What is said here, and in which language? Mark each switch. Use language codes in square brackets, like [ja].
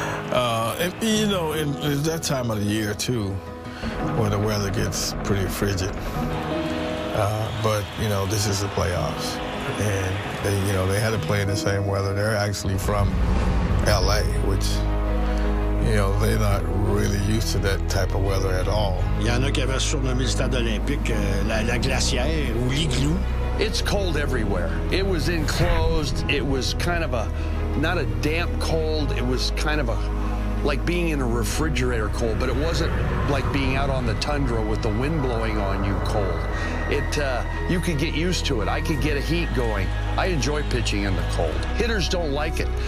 [en] and that time of the year, too, where the weather gets pretty frigid. But, you know, this is the playoffs. And, they had to play in the same weather. They're actually from L.A., which, you know, they're not really used to that type of weather at all. [fr] Il y en a qui avaient surnommé le stade olympique la glacière ou l'igloo. [en] It's cold everywhere. It was enclosed. It was kind of not a damp cold. It was kind of a like being in a refrigerator cold, but it wasn't like being out on the tundra with the wind blowing on you cold. You could get used to it. I could get a heat going. I enjoy pitching in the cold. Hitters don't like it.